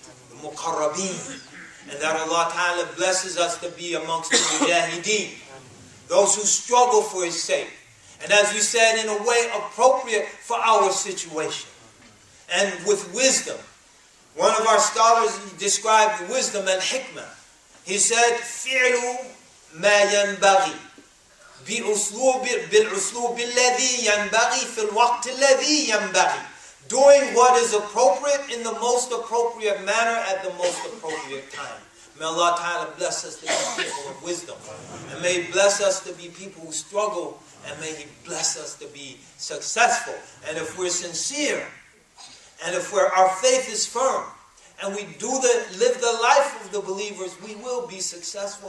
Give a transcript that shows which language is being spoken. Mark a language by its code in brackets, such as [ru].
[en] The muqarrabeen. And that Allah ta'ala blesses us to be amongst the mujahideen, those who struggle for His sake. And as you said, in a way appropriate for our situation. And with wisdom. One of our scholars described wisdom and hikmah. He said, [ar] فِعْلُ مَا يَنْبَغِي بِالْعُسْلُوبِ الَّذِي يَنْبَغِي فِي الْوَقْتِ الَّذِي يَنْبَغِي. [en] Doing what is appropriate in the most appropriate manner at the most appropriate time. May Allah Ta'ala bless us to be people of wisdom. And may He bless us to be people who struggle. And may He bless us to be successful. And if we're sincere, and if our faith is firm, and we live the life of the believers, we will be successful.